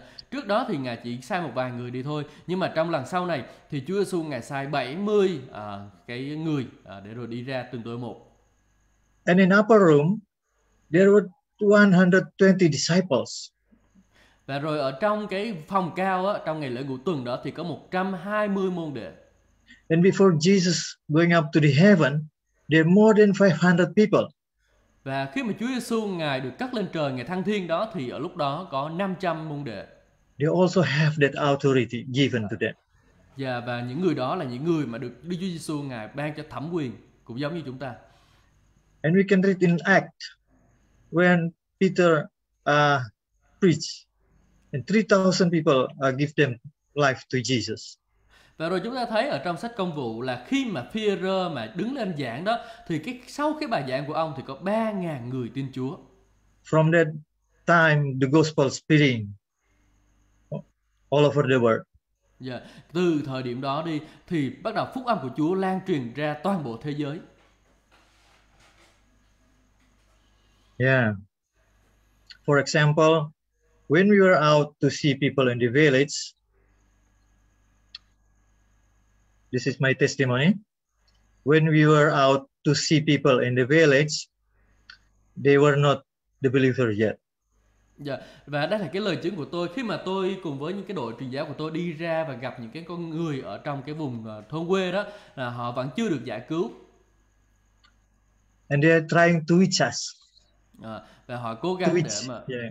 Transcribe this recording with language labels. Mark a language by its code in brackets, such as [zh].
[vi] Trước đó thì Ngài chỉ sai một vài người đi thôi, nhưng mà trong lần sau này thì Chúa Giêsu Ngài sai 70 cái người để rồi đi ra từng tuổi một. [en] And in upper room there were 120 disciples. [vi] Và rồi ở trong cái phòng cao á, trong ngày lễ ngũ tuần đó thì có 120 môn đệ. [en] And before Jesus going up to the heaven there are more than 500 people. [vi] Và khi mà Chúa Giêsu Ngài được cất lên trời, Ngài thăng thiên đó, thì ở lúc đó có 500 môn đệ. [en] They also have that authority given to them. [vi] Và những người đó là những người mà được Đức Chúa Giêsu Ngài ban cho thẩm quyền, cũng giống như chúng ta. [en] And we can read in Acts when Peter preached and 3,000 people give them life to Jesus. [vi] Và rồi chúng ta thấy ở trong sách Công Vụ là khi mà Peter mà đứng lên giảng đó, thì sau cái bài giảng của ông thì có 3,000 người tin Chúa. [en] From that time, the gospel spreading all over the world. [vi] Từ thời điểm đó đi, thì bắt đầu phúc âm của Chúa lan truyền ra toàn bộ thế giới. [en] Yeah. For example, when we were out to see people in the village, This is my testimony. When we were out to see people in the village, they were not the believers yet. [vi] Dạ. Và đây là cái lời chứng của tôi khi mà tôi cùng với những cái đội truyền giáo của tôi đi ra và gặp những cái con người ở trong cái vùng thôn quê đó là họ vẫn chưa được giải cứu. [en] And they are trying to reach us. [vi] Và họ cố gắng để mà